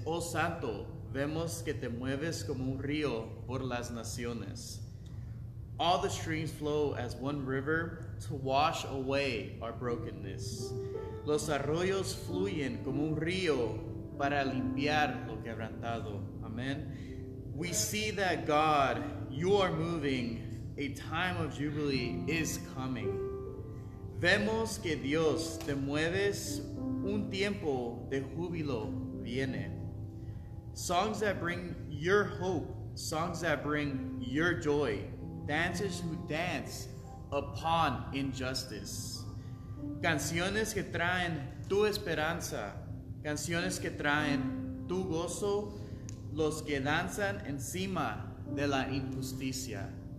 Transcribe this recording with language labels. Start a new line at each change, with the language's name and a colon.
Spanish: Oh, Santo, vemos que te mueves como un río por las naciones.
English: All the streams flow as one river to wash away our brokenness.
Spanish: Los arroyos fluyen como un río para limpiar lo quebrantado.
English: Amen. We see that, God, You are moving. A time of jubilee is coming.
Spanish: Vemos que Dios te mueves. Un tiempo de júbilo viene.
English: Songs that bring Your hope, songs that bring Your joy, dancers who dance upon injustice.
Spanish: Canciones que traen tu esperanza, canciones que traen tu gozo, los que danzan encima de la injusticia.